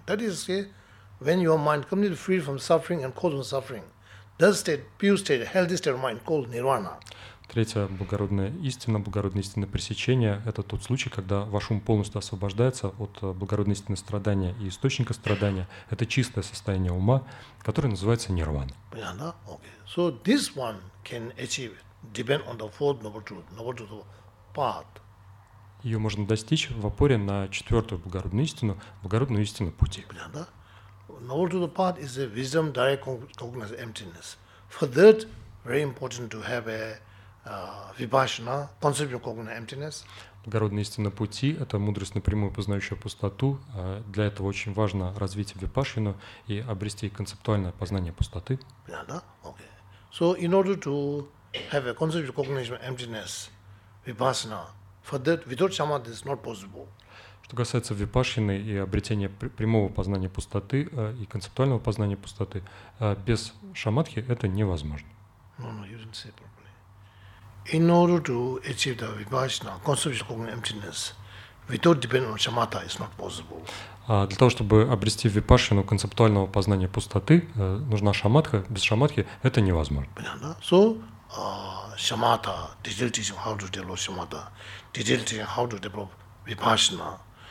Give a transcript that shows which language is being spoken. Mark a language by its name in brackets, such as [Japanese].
[English] That is, when your mind completely free from suffering and causing suffering, does state, pure state, healthy state of mind called nirvana. [Russian] Третья благородная истина пресечения – это тот случай, когда ваш ум полностью освобождается от благородной истины страдания и источника страдания. Это чистое состояние ума, которое называется нирвана. Понятно? Okay. [English] So this one can achieve, depend on the fourth noble truth, noble truth of path. [Russian] Ее можно достичь в опоре на четвертую благородную истину пути. Понятно? [English] Noble truth of path is a wisdom direct cognizance emptiness. For that, very important to have a Vipassana, concept of cognizant emptiness. [Russian] Благородная истина пути – это мудрость, напрямую познающая пустоту. Для этого очень важно развить випашину и обрести концептуальное познание пустоты. [English] Yeah, да? Okay. So in order to have a concept of cognizant emptiness, Vipassana, for that, without samadhi, is not possible. [Russian] Что касается випашины и обретения прямого познания пустоты и концептуального познания пустоты, без шамадхи это невозможно. [English] No, you didn't say properly. In order to achieve the vipassana, conceptual cognitive emptiness, without depending on shamatha, it's not possible. [Russian] Для того, чтобы обрести випашину концептуального познания пустоты, нужна шамадха. Без шамадхи это невозможно. Понятно? [English] So, shamatha, detailed teaching how to develop shamatha, detailed teaching how to develop vipassana.